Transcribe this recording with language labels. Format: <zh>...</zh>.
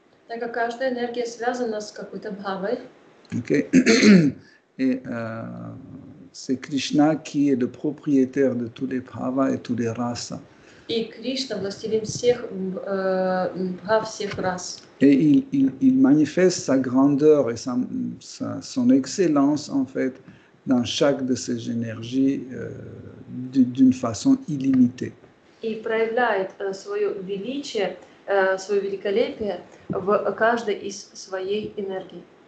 <ru>Так как каждая энергия связана с какой-то Бхавой. Okay.</ru> <fr>Et c'est Krishna qui est le propriétaire de tous les Bhavas et tous les rasas.</fr> <ru>И Кришна властелин всех бхав всех рас.</ru> <fr>Et il manifeste sa grandeur et son excellence en fait dans chaque de ses énergies d'une façon illimitée.</fr> <ru>И проявляет свое величие, свое великолепие в каждой из своей энергии.</ru>